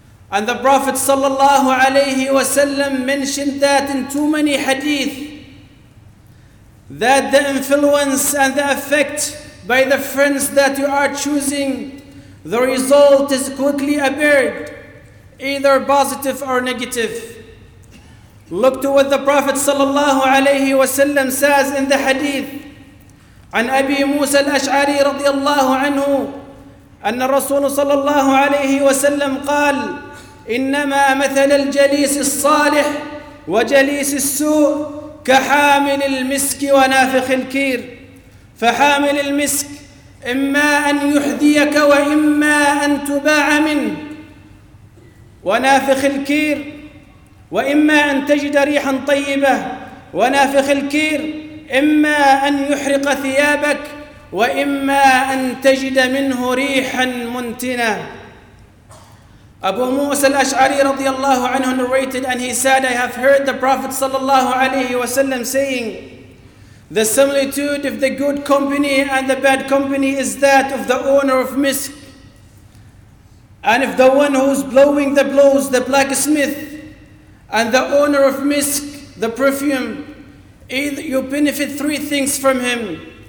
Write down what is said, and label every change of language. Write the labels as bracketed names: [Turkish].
[English] And the Prophet sallallahu alayhi wasallam mentioned that in too many hadith, that the influence and the effect by the friends that you are choosing, the result is quickly appeared, either positive or negative. Look to what the Prophet sallallahu alayhi wasallam says in the hadith. [Arabic] عن أبي موسى الأشعري رضي الله عنه أن الرسول صلى الله عليه وسلم قال إنما مثل الجليس الصالح وجليس السوء كحامل المسك ونافخ الكير. فحامل المسك إما أن يحذيك وإما أن تباع منه، ونافخ الكير وإما أن تجد ريحا طيبة، ونافخ الكير إما أن يحرق ثيابك وإما أن تجد منه ريحا منتنة. [English] Abu Musa al-Ash'ari radiallahu anhu narrated, and he said, I have heard the Prophet sallallahu alayhi wa sallam saying, the similitude of the good company and the bad company is that of the owner of misk and if the one who's blowing the blows, the blacksmith, and the owner of misk, the perfume, either you benefit three things from him.